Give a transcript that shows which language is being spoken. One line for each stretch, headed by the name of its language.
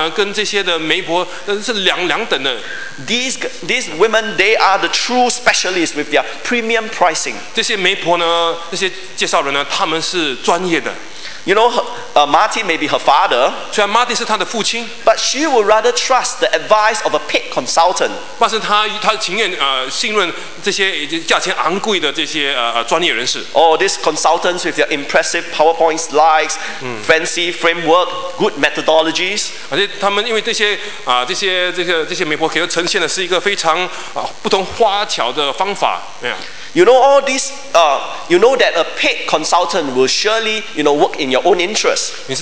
Chinese: 对他来说，他的老爸呢，跟这些的媒婆是两等的。
English: These women, they are the true specialists with their premium pricing.
Chinese: 这些媒婆呢，那些介绍人呢，他们是专业的。
English: You know, Martin may be her father.
Chinese: 虽然Martin是他的父亲,
English: but she would rather trust the advice of a paid consultant.
Chinese: 但是她情愿信任这些价钱昂贵的这些专业人士。
English: Oh, these consultants with their impressive PowerPoint slides, fancy framework, good methodologies.
Chinese: 而且他们因为这些媒婆给他呈现的是一个非常不同花巧的方法。
English: Yeah. You know all this. You know that a paid consultant will surely, you know, work in your own interest.